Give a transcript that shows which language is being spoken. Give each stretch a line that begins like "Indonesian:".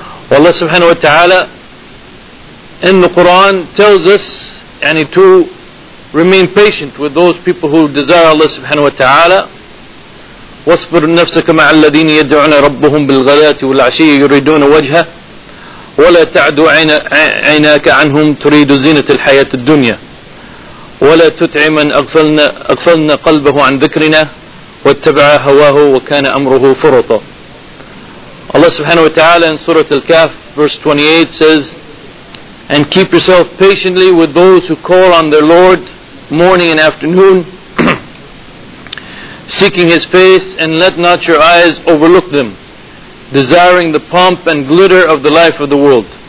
English: Allah subhanahu wa ta'ala in the Quran tells us, and it too, remain patient with those people who desire Allah subhanahu wa ta'ala,
Arabic: واصبر نفسك مع الذين يدعون ربهم بالغداة والعشي يريدون وجهه ولا تعد عيناك عنهم تريد زينة الحياة الدنيا ولا تطع من أغفلنا قلبه عن ذكرنا واتبع هواه وكان أمره فرطا.
English: Allah subhanahu wa ta'ala in Surah Al-Kahf verse 28 says, and keep yourself patiently with those who call on their Lord morning and afternoon seeking His face, and let not your eyes overlook them, desiring the pomp and glitter of the life of the world.